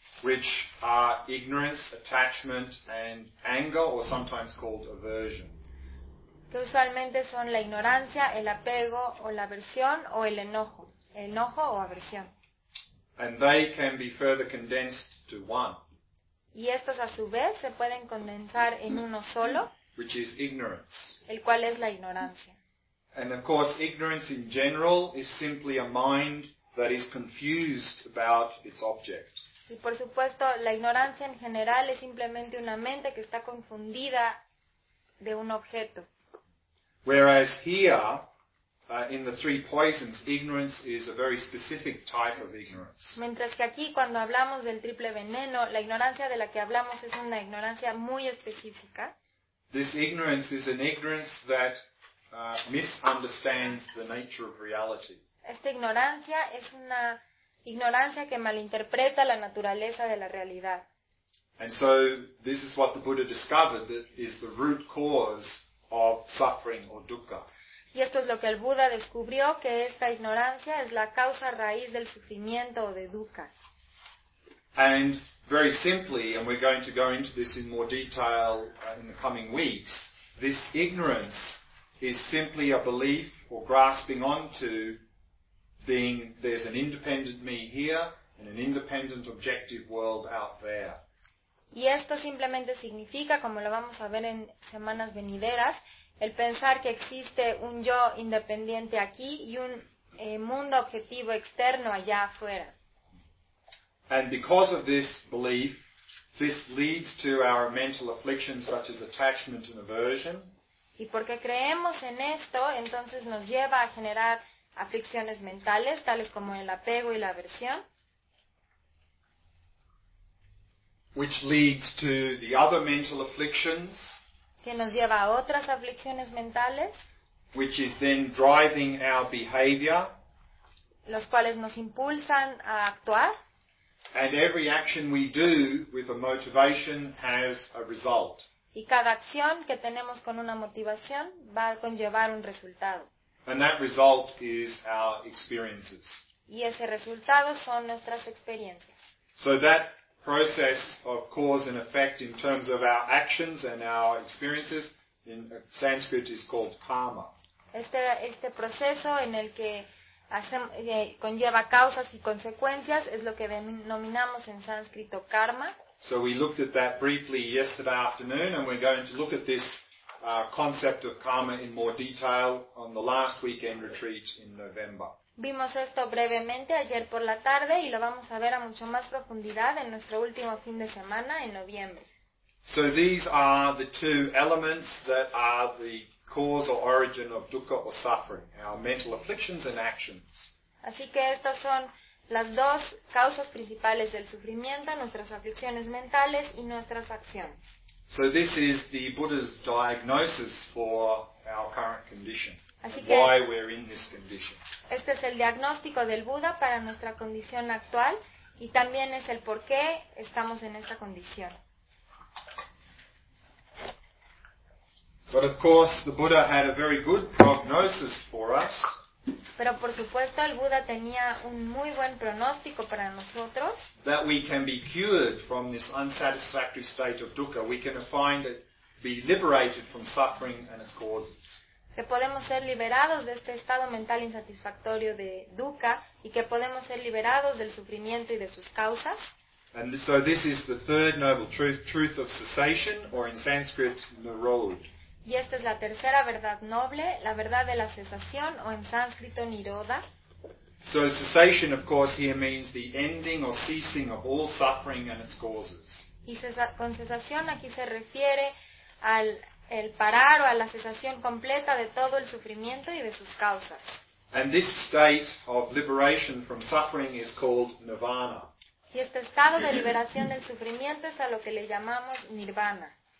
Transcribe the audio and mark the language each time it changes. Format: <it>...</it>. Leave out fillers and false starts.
<en>Which are ignorance, attachment and anger, or sometimes called aversion.</en> <es>Que usualmente son la ignorancia, el apego o la aversión o el enojo. Enojo o aversión.</es> <en>And they can be further condensed to 1.</en> <es>Y estos a su vez se pueden condensar en uno solo,</es> <en>which is ignorance.</en> <es>El cual es la ignorancia.</es> <en>And of course, ignorance in general is simply a mind that is confused about its object.</en> <es>Y por supuesto, la ignorancia en general es simplemente una mente que está confundida de un objeto.</es> <en>Whereas here, in the 3 poisons, ignorance is a very specific type of ignorance.</en> <es>Mientras que aquí, cuando hablamos del triple veneno, la ignorancia de la que hablamos es una ignorancia muy específica.</es> <en>This ignorance is an ignorance that misunderstands the nature of reality.</en> <es>Esta ignorancia es una ignorancia que malinterpreta la naturaleza de la realidad.</es> <en>And so, this is what the Buddha discovered, that is the root cause of suffering or dukkha.</en> <es>Y esto es lo que el Buda descubrió, que esta ignorancia es la causa raíz del sufrimiento o de dukkha.</es> <en>And very simply, and we're going to go into this in more detail in the coming weeks, this ignorance is simply a belief or grasping onto being there's an independent me here and an independent objective world out there.</en> <es>Y esto simplemente significa, como lo vamos a ver en semanas venideras, el pensar que existe un yo independiente aquí y un mundo objetivo externo allá afuera.</es> <en>And because of this belief, this leads to our mental afflictions such as attachment and aversion.</en> <es>Y porque creemos en esto, entonces nos lleva a generar aflicciones mentales, tales como el apego y la aversión.</es> <en>Which leads to the other mental afflictions.</en> <es>Que nos lleva a otras aflicciones mentales,</es> <en>which is then driving our behavior,</en> <es>los cuales nos impulsan a actuar,</es> <en>and every action we do with a motivation has a result.</en> <es>Y cada acción que tenemos con una motivación va a conllevar un resultado.</es> <en>And that result is our experiences.</en> <es>Y ese resultado son nuestras experiencias.</es> <en>So that process of cause and effect in terms of our actions and our experiences in Sanskrit is called karma.</en> <es>Este proceso en el que hacemos conlleva causas y consecuencias es lo que denominamos en sánscrito karma.</es> <en>So we looked at that briefly yesterday afternoon, and we're going to look at this concept of karma in more detail on the last weekend retreat in November.</en> <es>Vimos esto brevemente ayer por la tarde y lo vamos a ver a mucho más profundidad en nuestro último fin de semana, en noviembre.</es> <en>So these are the two elements that are the cause or origin of dukkha or suffering, our mental afflictions and actions.</en> <es>Así que estas son las dos causas principales del sufrimiento, nuestras aflicciones mentales y nuestras acciones.</es> <en>So this is the Buddha's diagnosis for our current condition. Why we're in this condition.</en> <es>Este es el diagnóstico del Buda para nuestra condición actual y también es el por qué estamos en esta condición.</es> <en>But of course, the Buddha had a very good prognosis for us.</en> <es>Pero por supuesto, el Buda tenía un muy buen pronóstico para nosotros.</es> <en>That we can be cured from this unsatisfactory state of dukkha. We can find it, be liberated from suffering and its causes.</en> <es>Que podemos ser liberados de este estado mental insatisfactorio de dukkha y que podemos ser liberados del sufrimiento y de sus causas.</es> <en>And so this is the third noble truth, truth of cessation, or in Sanskrit, nirodha.</en> <es>Y esta es la tercera verdad noble, la verdad de la cesación, o en sánscrito Nirodha.</es> <en>So cessation, of course, here means the ending or ceasing of all suffering and its causes.</en> <es>Y con cesación aquí se refiere al el parar o a la cesación completa de todo el sufrimiento y de sus causas.</es> <en>And this state of liberation from suffering is called nirvana.</en> <es>Y este estado de liberación del sufrimiento es a lo que le llamamos nirvana.</es>